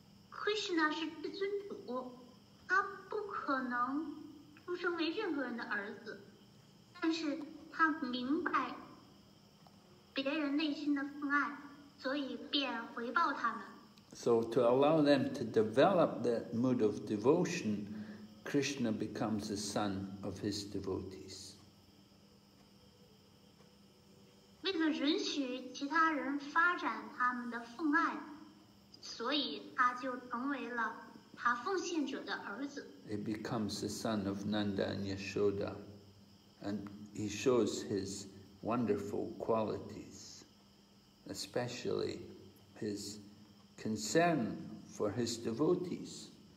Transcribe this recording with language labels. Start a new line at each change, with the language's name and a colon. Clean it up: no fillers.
English: Krishna is the
Chinese: 尊主，他不可能出生为任何人的儿子，但是他明白别人内心的父爱，所以便回报他们。
English: So to allow them to develop that mood of devotion, Krishna becomes the son of his devotees.
Chinese: 为了允许其他人发展他们的父爱，所以他就成为了他奉献者的儿子。
English: He becomes the son of Nanda and Yashoda, and he shows his wonderful qualities, especially his concern for his devotees.